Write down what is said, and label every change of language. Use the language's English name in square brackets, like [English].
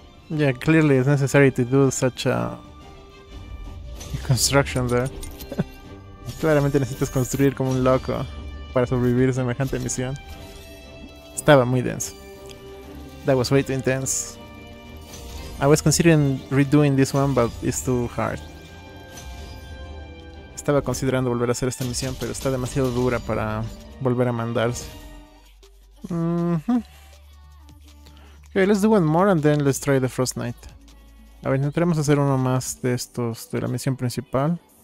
[English] Yeah, clearly it's necessary to do such a construction there. [Spanish] Claramente necesitas construir como un loco para sobrevivir a semejante misión. Estaba muy denso. [English] That was way too intense. I was considering redoing this one, but it's too hard. [Spanish] Estaba considerando volver a hacer esta misión, pero está demasiado dura para volver a mandarse. [English] Okay, let's do one more and then let's try the Frostnite. [Spanish] A ver, intentaremos hacer uno más de estos, de la misión principal.